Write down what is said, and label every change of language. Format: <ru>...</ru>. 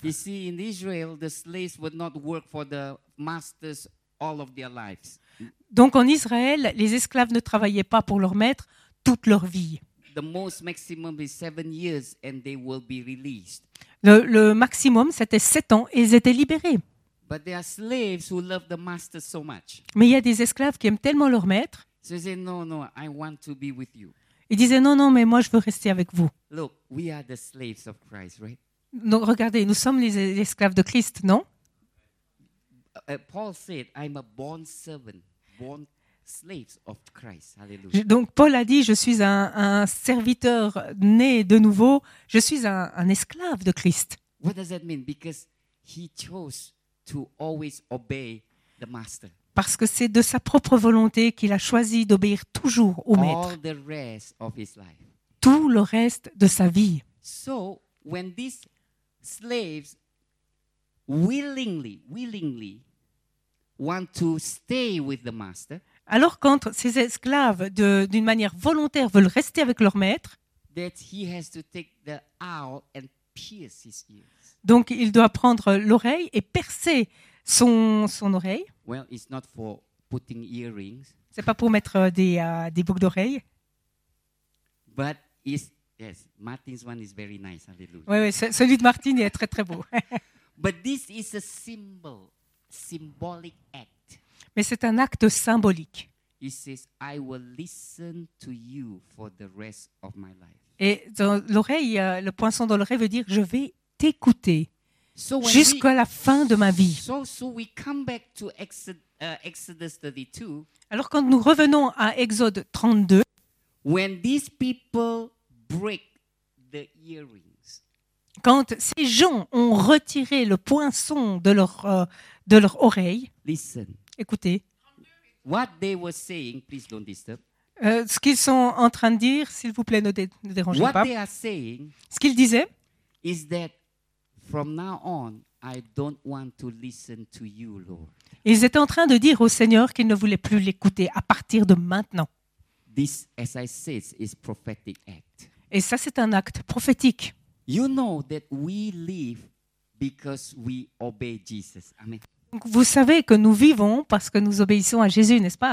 <en>You see, in Israel, the slaves would not work for the masters all of their lives.</en> <fr>Donc, en Israël, les esclaves ne travaillaient pas pour leur maître toute leur vie.</fr> <en>The most maximum is 7 years and they will be released.</en> <fr>Le maximum, c'était 7 ans et ils étaient libérés.</fr> <en>But there are slaves who love the master so much.</en> <fr>Mais il y a des esclaves qui aiment tellement leur maître.</fr> <en>So they say, no, I want to be with you.</en> <fr>Il disait, non, mais moi, je veux rester avec vous.</fr> <en>Look, we are the slaves of Christ, right?</en> <fr>Donc, regardez, nous sommes les esclaves de Christ, non?</fr> <en>Paul said, I'm a born servant, born slaves of Christ. Hallelujah.</en> <fr>Donc, Paul a dit, je suis un serviteur né de nouveau, je suis un esclave de Christ.</fr> <en>What does that mean? Because he chose to always obey the master.</en> <fr>Parce que c'est de sa propre volonté qu'il a choisi d'obéir toujours au maître.</fr> <en>All the rest of his life.</en> <fr>Tout le reste de sa vie.</fr> <en>So, when these slaves willingly want to stay with the master,</en> <fr>alors quand ces esclaves d'une manière volontaire veulent rester avec leur maître,</fr> <en>that he has to take the owl and pierce his ears.</en> <fr>Donc il doit prendre l'oreille et percer son oreille.</fr> <en>Well, it's not for putting earrings.</en> <fr>C'est pas pour mettre des boucles d'oreilles.</fr> <en>But it's, yes, Martin's one is very nice. Hallelujah.</en> <fr>Oui, celui de Martin est très très beau.</fr> <en>But this is a symbol, symbolic act.</en> <fr>Mais c'est un acte symbolique.</fr> <en>He says, "I will listen to you for the rest of my life."</en> <fr>Et dans l'oreille, le poinçon dans l'oreille veut dire, je vais t'écouter</fr> <en>so</en> <fr>jusqu'à la fin de ma vie.</fr> <en>So we come back to Exodus 32.</en> <fr>Alors quand nous revenons à Exode 32,</fr> <en>when these people break the earrings,</en> <fr>quand ces gens ont retiré le poinçon de leur oreille,</fr> <en>listen.</en> <fr>Écoutez.</fr> <en>What they were saying, please don't disturb.</en> <fr>Ce qu'ils sont en train de dire, s'il vous plaît, ne dérangez</fr> <en>what</en> <fr>pas.</fr> <en>They are saying,</en> <fr>ce qu'ils disaient,</fr> <en>is that from now on, I don't want to listen to you, Lord.</en> <fr>Ils étaient en train de dire au Seigneur qu'ils ne voulaient plus l'écouter à partir de maintenant.</fr> <en>This, as I said, is prophetic act.</en> <fr>Et ça, c'est un acte prophétique.</fr> <en>You know that we live because we obey Jesus. Amen.</en> <fr>Donc vous savez que nous vivons parce que nous obéissons à Jésus, n'est-ce pas?</fr>